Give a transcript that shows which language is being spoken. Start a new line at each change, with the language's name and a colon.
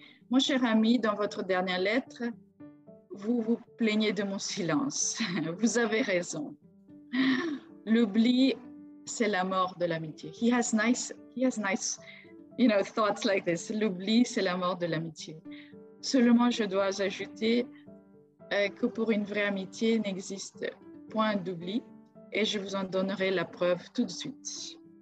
French: Mon cher ami, dans votre dernière lettre, vous vous plaignez de mon silence. Vous avez raison. L'oubli, c'est la mort de l'amitié.
English: He has nice, you know, thoughts like this.
French: L'oubli, c'est la mort de l'amitié. Seulement, je dois ajouter que pour une vraie amitié, n'existe point d'oubli, et je vous en donnerai la preuve tout de suite.